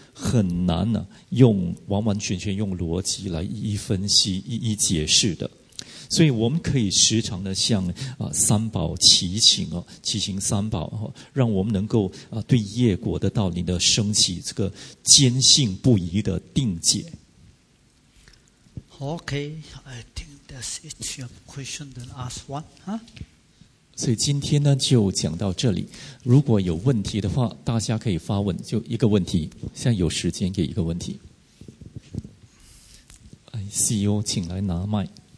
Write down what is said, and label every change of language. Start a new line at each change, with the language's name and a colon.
Chinese: 很难呢、用完完全全用逻辑来一一分析一一解释的，所以我们可以时常的向三宝祈请哦，祈请三宝哦，让我们能够对业果的道理的升起这个坚信不疑的定解。
English: Okay, I think that's it. You have a question, then ask one, huh?
Chinese: 所以今天呢就讲到这里，如果有问题的话大家可以发问，就一个问题，现在有时间给一个问题。 CEO 请来拿麦。